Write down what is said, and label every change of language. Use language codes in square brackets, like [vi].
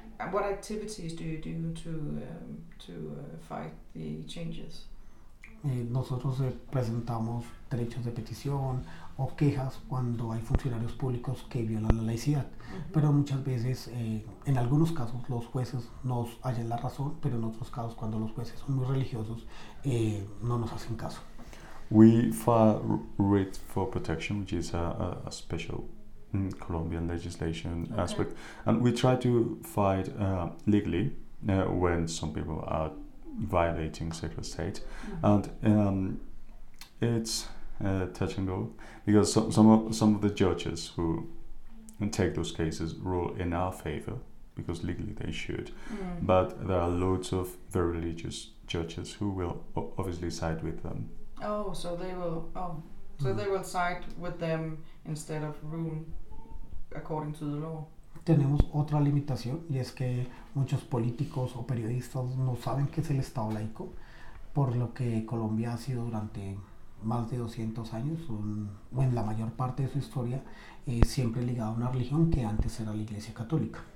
[en] What activities do you do to fight the changes? [es] Nosotros presentamos derechos de petición o quejas cuando hay funcionarios públicos que violan la laicidad. Mm-hmm. Pero muchas veces, en algunos casos, los jueces nos hallan la razón, pero en otros casos, cuando los jueces son muy religiosos, no nos hacen caso. [en] We file writ for protection, which is a special Colombian legislation aspect, and we try to fight legally when some people are violating secular state, and it's touch and go because some of the judges who take those cases rule in our favor because legally they should, but there are loads of very religious judges who will obviously side with them. Oh, so they will. They will side with them instead of rule according to the law. [es] Tenemos otra limitación, y es que muchos políticos o periodistas no saben qué es el Estado laico, por lo que Colombia ha sido durante más de 200 años, en la mayor parte de su historia, siempre ligado a una religión que antes era la Iglesia Católica.